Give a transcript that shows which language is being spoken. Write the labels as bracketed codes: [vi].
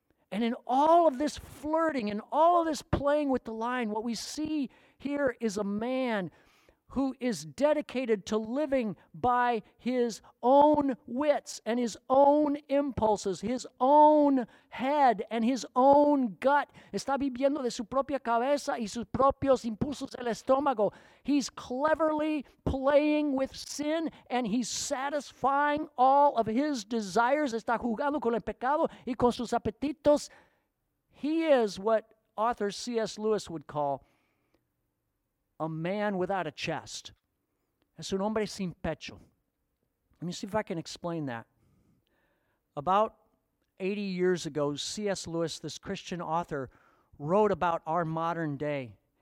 [en] And in all of this flirting, in all of this playing with the line, what we see here is a man who is dedicated to living by his own wits and his own impulses, his own head and his own gut. [es] Está viviendo de su propia cabeza y sus propios impulsos del estómago. [en] He's cleverly playing with sin and he's satisfying all of his desires. [es] Está jugando con el pecado y con sus apetitos. [en] He is what author C.S. Lewis would call a man without a chest. [es] Es un hombre sin pecho. [en] Let me see if I can explain that. About 80 years ago, C.S. Lewis, this Christian author, wrote about our modern day.